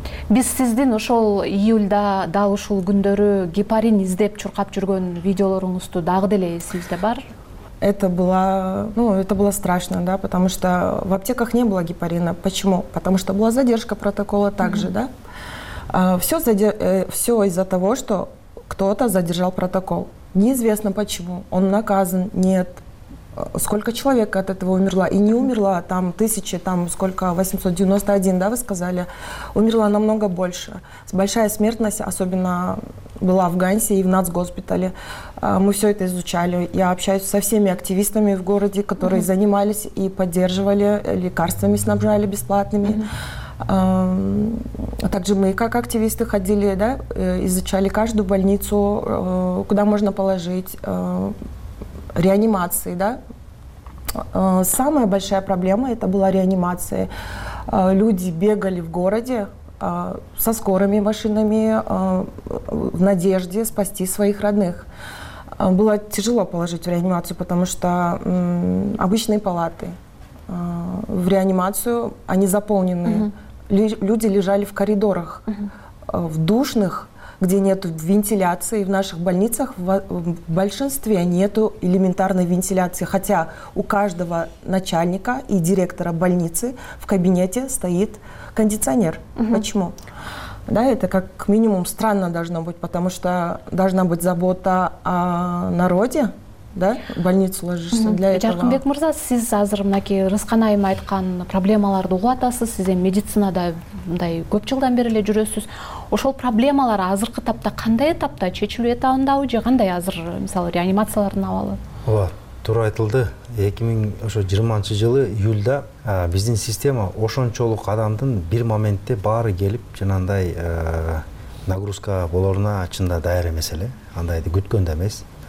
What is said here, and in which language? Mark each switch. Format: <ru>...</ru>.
<ky>Биз сиздин ошол июлда дал ушул күндөрү гепарин издеп чуркап жүргөн видеолоруңузду дагы деле эсибизде бар?</ky> <ru>Это было страшно, да, потому что в аптеках не было гепарина. Почему? Потому что была задержка протокола также, да. Все из-за того, что кто-то задержал протокол. Неизвестно почему. Он наказан? Нет. Сколько человек от этого умерло? И не умерло, там тысячи, там сколько, 891, да, вы сказали? Умерло намного больше. Большая смертность особенно была в ГАНСе и в нацгоспитале. Мы все это изучали. Я общаюсь со всеми активистами в городе, которые mm-hmm. занимались и поддерживали, лекарствами снабжали бесплатными. Mm-hmm. А также мы как активисты ходили, да, изучали каждую больницу, куда можно положить, реанимации, да. Самая большая проблема это была реанимация. Люди бегали в городе со скорыми машинами в надежде спасти своих родных. Было тяжело положить в реанимацию, потому что обычные палаты в реанимацию, они заполнены. Угу. Люди лежали в коридорах, угу. в душных, где нет вентиляции. В наших больницах в большинстве нет элементарной вентиляции, хотя у каждого начальника и директора больницы в кабинете стоит кондиционер. Угу. Почему? Да, это как минимум странно должно быть, потому что должна быть забота о народе. Да, в больницу ложишься для этого.</ru> <ky>Жаркынбек мырза, сиз азыр мынакей рысканайым айткан проблемаларды угуп атасыз, сиз эми медицинада мындай көп жылдан бери эле жүрөсүз. Ошол проблемалар азыркы тапта кандай этапта чечилүү этабындабы же кандай азыр мисалы реанимациялардын абалы? Ооба, туура айтылды. 2020 жылы июлда биздин система ошончолук адамдын бир моментте баары келип жанагындай нагрузка болоруна чында даяр эмес эле, андайды күткөн да эмес.</ky>